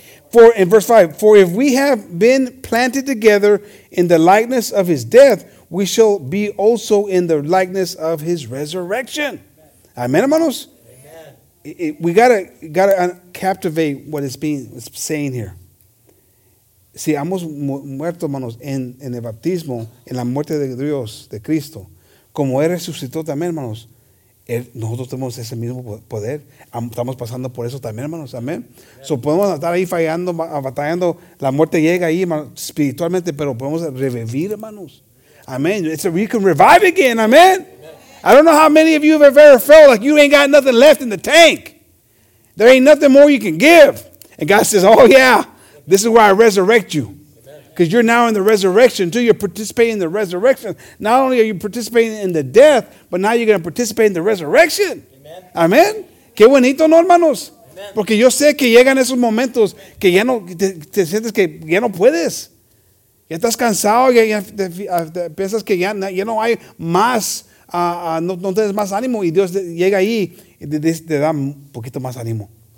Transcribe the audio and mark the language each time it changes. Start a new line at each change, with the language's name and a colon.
English: For in verse 5, for if we have been planted together in the likeness of his death, we shall be also in the likeness of his resurrection. Amen, hermanos. We gotta captivate what it's being saying here.
Spanish: Si hemos muerto, hermanos, en el bautismo, en la muerte de Dios, de Cristo, como él resucitó también, hermanos, Nosotros tenemos ese mismo poder. Estamos pasando por eso también, hermanos. Amén. So podemos estar ahí fallando, batallando. La muerte llega ahí, hermanos, espiritualmente, pero podemos revivir, hermanos.
English: Amén. So we can revive again. Amén. I don't know how many of you have ever felt like you ain't got nothing left in the tank. There ain't nothing more you can give. And God says, oh yeah, this is where I resurrect you. Because you're now in the resurrection, too. You're participating in the resurrection. Not only are you participating in the death, but now you're going to participate in the resurrection. Amen.
Spanish: Qué bonito, ¿no, hermanos? Amen. Porque yo sé que llegan esos momentos que ya no te sientes que ya no puedes. Ya estás cansado. Ya piensas que ya no hay más. No tienes más ánimo. Y Dios llega ahí y te da un poquito más ánimo.